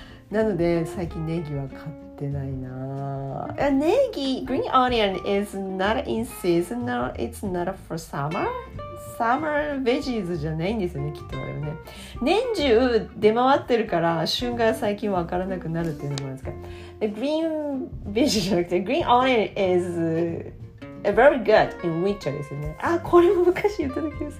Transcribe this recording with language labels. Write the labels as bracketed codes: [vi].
[ja] なので最近ネギは買ってないな。 [en] ネギ、green onion is not in season now. It's not for summer. Summer veggies [ja] じゃないんですよね、きっとあれね。年中出回ってるから旬が最近わからなくなるっていうのもあるんですか。 [en] The green veggies [ja] じゃなくて [en] green onion is. Very good in winter [ja] ですね。あ、これも昔言った時です。